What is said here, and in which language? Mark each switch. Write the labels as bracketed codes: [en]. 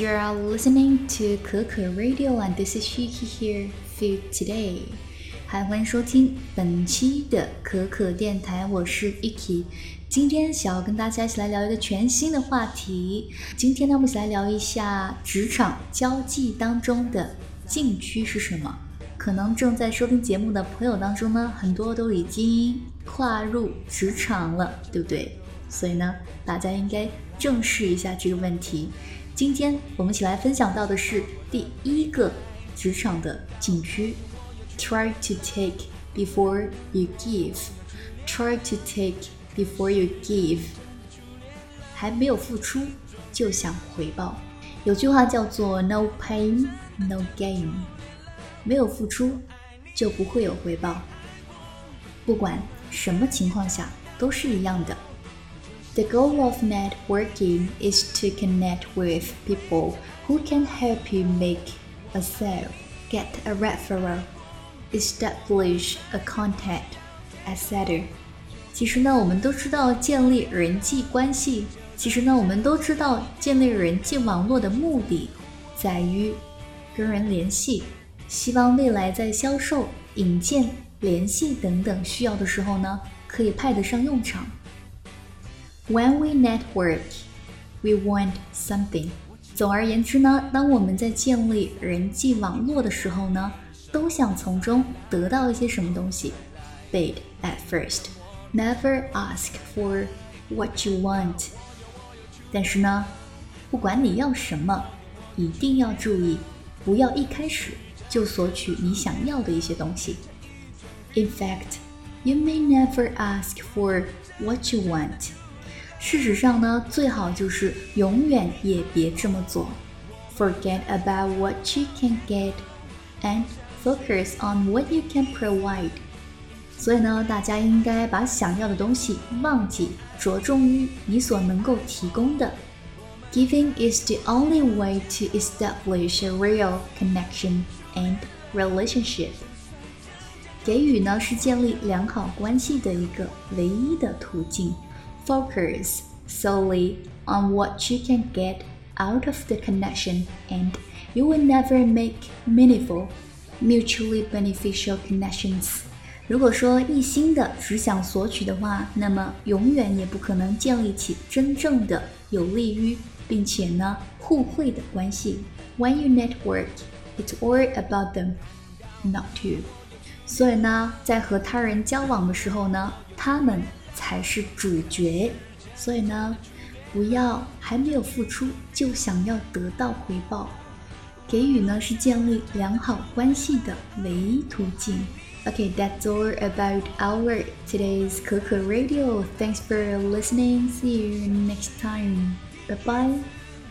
[en] You are listening to Keke Radio, and this is Shiki here for you today. [zh] 欢迎收听本期的可可电台，我是 Iki。今天想要跟大家一起来聊一个全新的话题。今天呢，我们一起来聊一下职场交际当中的禁区是什么。可能正在收听节目的朋友当中呢，很多都已经跨入职场了，对不对？所以呢，大家应该正视一下这个问题。今天我们一起来分享到的是第一个职场的禁区。 [en] Try to take before you give. Try to take before you give. [zh] 还没有付出就想回报。有句话叫做 [en] No pain, no gain. [zh] 没有付出就不会有回报。不管什么情况下都是一样的。 [en] The goal of networking is to connect with people who can help you make a sale, get a referral. establish a contact, etc. [zh] 其实呢，我们都知道建立人际关系。其实呢，我们都知道建立人际网络的目的在于跟人联系，希望未来在销售、引荐、联系等等需要的时候呢，可以派得上用场。 [en] When we network, we want something. [zh] 总而言之呢，当我们在建立人际网络的时候呢。都想从中得到一些什么东西。 [en] Bid at first. Never ask for what you want. [zh] 但是呢，不管你要什么，一定要注意，不要一开始就索取你想要的一些东西。 [en] In fact, you may never ask for what you want. [zh] 事实上呢，最好就是永远也别这么做。 [en] Forget about what you can get andFocus on what you can provide. [zh] 所以呢，大家应该把想要的东西忘记，着重于你所能够提供的。 [en] Giving is the only way to establish a real connection and relationship. [zh] 给予呢，是建立良好关系的一个唯一的途径。 [en] Focus solely on what you can get out of the connection and you will never make meaningfulmutually beneficial connections. [zh] 如果说一心的只想索取的话，那么永远也不可能建立起真正的有利于并且呢互惠的关系。 [en] When you network, it's all about them, not you. [zh] 所以呢，在和他人交往的时候呢，他们才是主角。所以呢，不要还没有付出就想要得到回报。给予呢是建立良好关系的唯一途径。 [en] Okay, that's all about our today's Keke Radio. Thanks for listening. See you next time. Bye bye.